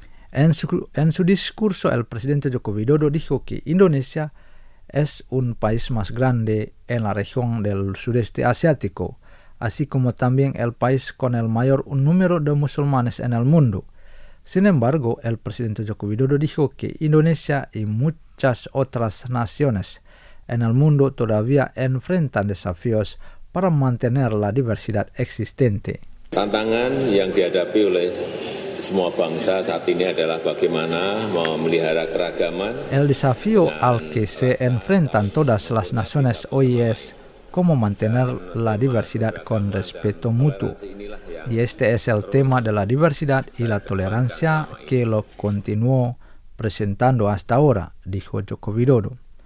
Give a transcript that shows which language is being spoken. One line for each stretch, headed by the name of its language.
Spanish: En su discurso, el presidente Joko Widodo dijo que Indonesia es un país más grande en la región del sureste asiático, así como también el país con el mayor número de musulmanes en el mundo. Sin embargo, el presidente Joko Widodo dijo que Indonesia y muchas otras naciones en el mundo todavía enfrentan desafíos para mantener la diversidad existente.
Indonesian: Tantangan yang dihadapi oleh semua bangsa saat ini adalah bagaimana memelihara keragaman.
Spanish: El desafío al que se enfrentan todas las naciones hoy es cómo mantener la diversidad con respeto mutuo. Y este es el tema de la diversidad y la tolerancia que lo continuó presentando hasta ahora, dijo Joko Widodo.